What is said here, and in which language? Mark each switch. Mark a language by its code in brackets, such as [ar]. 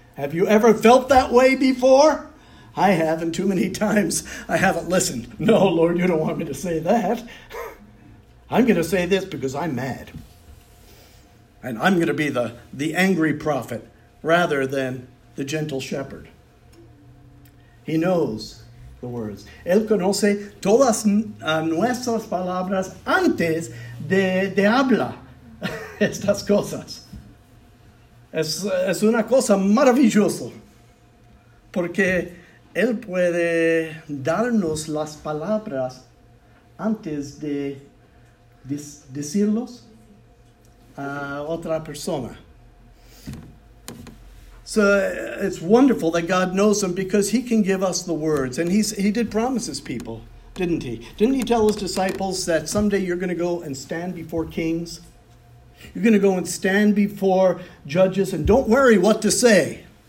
[en] Have you ever felt that way before? I have, and too many times I haven't listened. No, Lord, you don't want me to say that. I'm going to say this because I'm mad. And I'm going to be the angry prophet rather than the gentle shepherd. He knows the words. [es] Él conoce todas nuestras palabras antes de hablar estas cosas. Es una cosa maravillosa. Porque Él puede darnos las palabras antes de decirlos a otra persona. [en] So it's wonderful that God knows them, because he can give us the words. And he did promise his people, didn't he? Didn't he tell his disciples that someday you're going to go and stand before kings? You're going to go and stand before judges, and don't worry what to say.